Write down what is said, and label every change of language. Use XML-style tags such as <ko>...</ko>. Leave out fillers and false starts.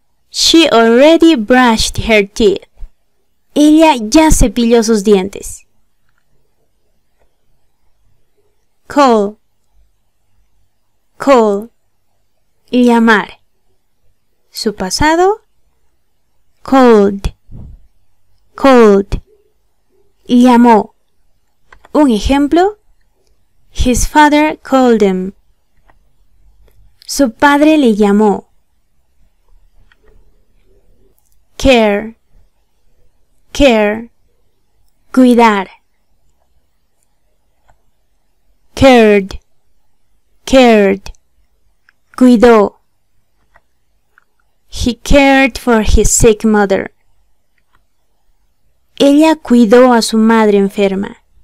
<en>She already brushed her teeth.</en> <es>Ella ya cepilló sus dientes. Call. Call. Llamar. Su pasado. Called. Called. Llamó. Un ejemplo.</es> <en>His father called him.</en> <es>Su padre le llamó.</es> <en>Care. Care. Cuidar. Cared. Cared. Cuidó. He cared for his sick mother.</en> <es>Ella cuidó a su madre enferma.</es>